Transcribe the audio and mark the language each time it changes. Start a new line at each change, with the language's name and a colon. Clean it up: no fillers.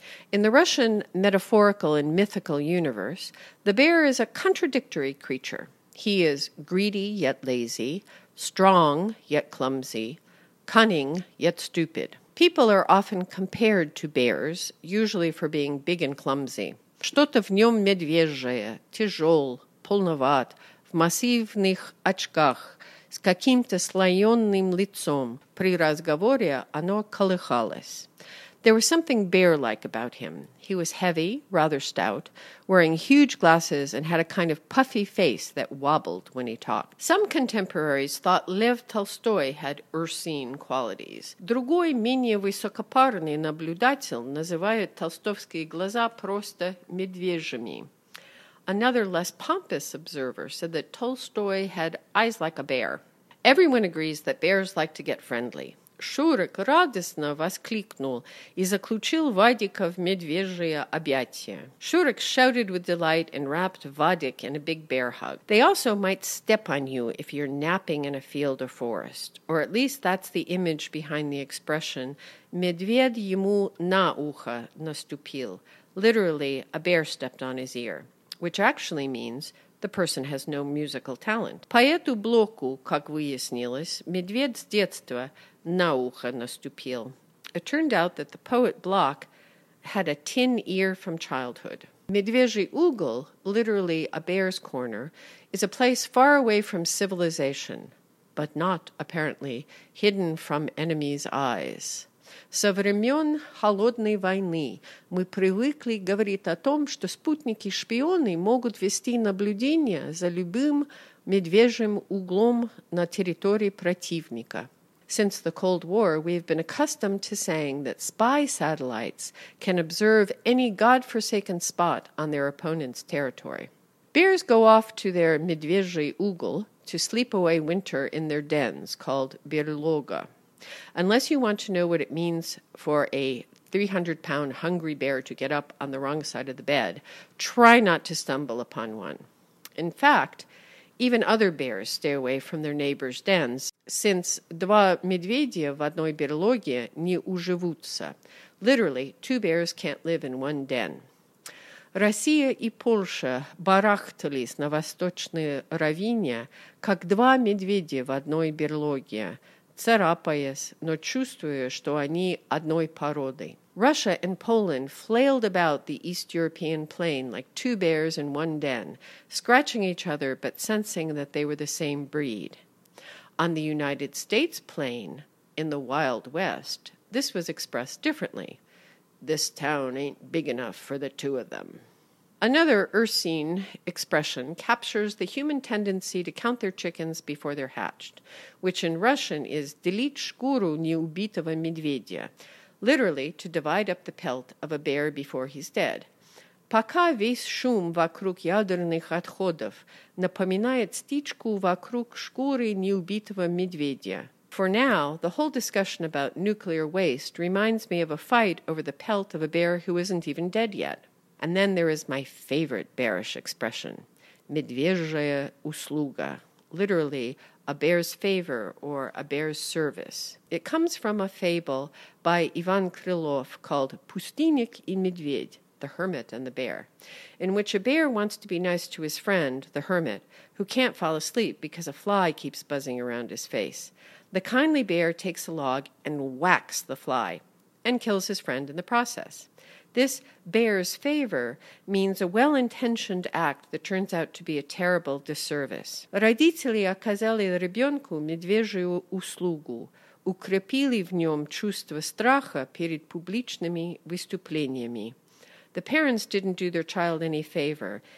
English: In the Russian metaphorical and mythical universe, the bear is a contradictory creature. He is greedy yet lazy, strong yet clumsy, cunning yet stupid. People are often compared to bears, usually for being big and clumsy.
Russian: Что-то в нем медвежье, тяжелое, полноват, в массивных очках, с каким-то слоеным лицом, при разговоре оно колыхалось.
English: There was something bear-like about him. He was heavy, rather stout, wearing huge glasses and had a kind of puffy face that wobbled when he talked. Some contemporaries thought Lev Tolstoy had ursine qualities.
Russian: Другой, менее высокопарный наблюдатель называет толстовские глаза просто медвежьими.
English: Another less pompous observer said that Tolstoy had eyes like a bear. Everyone agrees that bears like to get friendly.
Russian: Шурик радостно воскликнул и заключил Вадика в медвежье объятие.
English: Шурик shouted with delight and wrapped Vadik in a big bear hug. They also might step on you if you're napping in a field or forest. Or at least that's the image behind the expression
Russian: «Медведь ему на ухо наступил»,
English: literally «a bear stepped on his ear», which actually means the person has no musical talent.
Russian: По эту блоку, как выяснилось, медведь с детства на ухо наступил.
English: It turned out that the poet Block had a tin ear from childhood.
Russian: Медвежий угол,
English: literally a bear's corner, is a place far away from civilization, but not, apparently, hidden from enemies' eyes.
Russian: Со времен холодной войны мы привыкли говорить о том, что спутники-шпионы могут вести наблюдение за любым медвежьим углом на территории противника.
English: Since the Cold War, we have been accustomed to saying that spy satellites can observe any godforsaken spot on their opponent's territory. Bears go off to their
Russian: медвежий угол
English: to sleep away winter in their dens called берлога. Unless you want to know what it means for a 300-pound hungry bear to get up on the wrong side of the bed, try not to stumble upon one. In fact, even other bears stay away from their neighbors' dens, since
Russian: два медведя в одной берлоге не уживутся.
English: Literally, two bears can't live in one den.
Russian: Россия и Польша барахтались на восточной равнине, как два медведя в одной берлоге, царапаясь, но чувствуя, что они одной породы.
English: Russia and Poland flailed about the East European plain like two bears in one den, scratching each other but sensing that they were the same breed. On the United States plain, in the Wild West, this was expressed differently. This town ain't big enough for the two of them. Another ursine expression captures the human tendency to count their chickens before they're hatched, which in Russian is
Russian: «делить шкуру неубитого медведя»,
English: literally to divide up the pelt of a bear before he's dead.
Russian: «Пока весь шум вокруг ядерных отходов напоминает стычку вокруг шкуры неубитого медведя».
English: For now, the whole discussion about nuclear waste reminds me of a fight over the pelt of a bear who isn't even dead yet. And then there is my favorite bearish expression,
Russian: медвежья услуга,
English: literally a bear's favor or a bear's service. It comes from a fable by Ivan Krylov called
Russian: Пустынник и медведь,
English: the hermit and the bear, in which a bear wants to be nice to his friend, the hermit, who can't fall asleep because a fly keeps buzzing around his face. The kindly bear takes a log and whacks the fly and kills his friend in the process. This bear's favor means a well-intentioned act that turns out to be a terrible disservice.
Russian: Родители оказали ребенку медвежью услугу, укрепили в нем чувство страха перед публичными выступлениями.
English: the parents didn't do their child any favor.